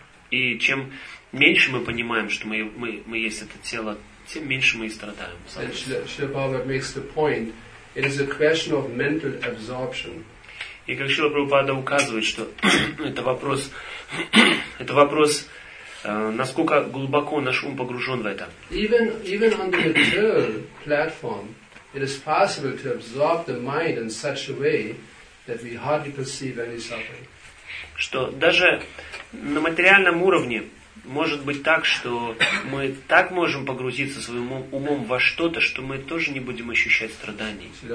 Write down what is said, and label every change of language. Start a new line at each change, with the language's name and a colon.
Russian: И чем меньше мы понимаем, что мы есть это тело, тем меньше мы и страдаем.
English: It is a question of mental absorption.
Russian: И как Шрила Прабхупада указывает, что это вопрос, насколько глубоко наш ум погружен в это.
English: Even on the material platform, it is possible to absorb the mind in such a way that we hardly perceive any suffering.
Russian: Что даже на материальном уровне может быть так, что мы так можем погрузиться своим умом во что-то, что мы тоже не будем ощущать страданий.